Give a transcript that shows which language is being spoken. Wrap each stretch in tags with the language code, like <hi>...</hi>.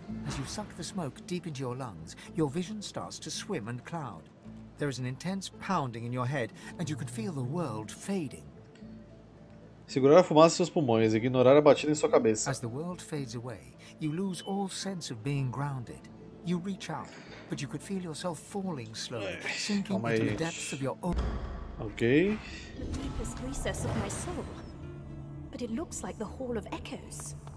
<en>As you suck the smoke deep into your lungs, your vision starts to swim and cloud. There is an intense pounding in your head, and you can feel the world fading.</en> <pt>Segurar a fumaça em seus pulmões e ignorar a batida em sua cabeça.</pt> <en>As the world fades away, you lose all sense of being grounded. You reach out, but you could feel yourself falling slowly, sinking into the depths of your own. Okay. The deepest recess of my soul, but it looks like the Hall of Echoes.</en>